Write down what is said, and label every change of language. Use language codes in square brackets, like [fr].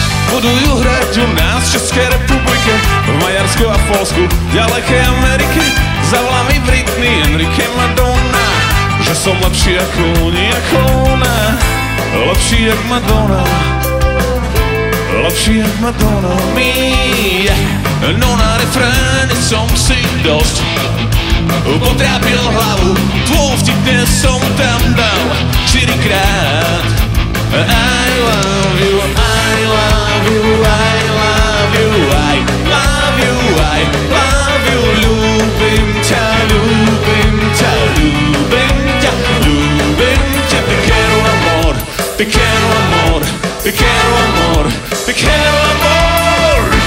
[sk] Budujú hrať u nás v Českej republike, v Maďarsku a v Polsku, ďalekej Ameriky. Zavolá mi Britney, Enrique Madonna, že som lepší ako oni, ako ona. Lepší jak Madonna, lepší jak Madonna. Mi no na refréne som si dosť potrápil hlavu, tvoj vtip dnes som tam dal čtyrikrát. [en] I love you, I love you, I love you, I love you, I love you. [sk] Ľúbim ťa, ľúbim ťa, ľúbim ťa, ľúbim ťa. [es] Te quiero amor, te quiero amor, te quiero amor, te quiero amor.